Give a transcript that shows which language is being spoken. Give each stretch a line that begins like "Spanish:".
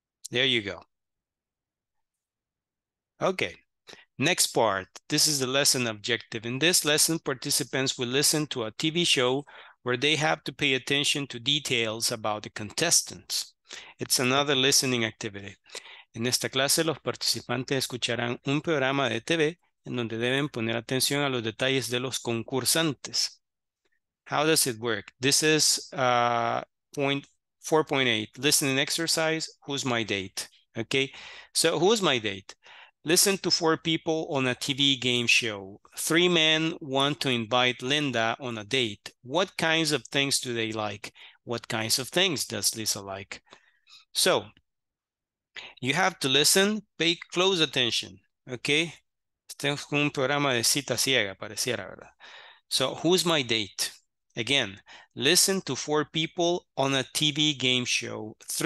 English: There you go. Okay. Next part. This is the lesson objective. In this lesson, participants will listen to a TV show where they have to pay attention to details about the contestants. It's another listening activity.
Spanish: En esta clase, los participantes escucharán un programa de TV en donde deben poner atención a los detalles de los concursantes.
English: How does it work? This is point 4.8, listening exercise, who's my date? Okay, so who's my date? Listen to four people on a TV game show. Three men want to invite Linda on a date. What kinds of things do they like? What kinds of things does Lisa like? So you have to listen, pay close attention. Okay.
Spanish: Este es un programa de cita ciega, pareciera, ¿verdad?
English: So who's my date? Again, listen to four people on a TV game show.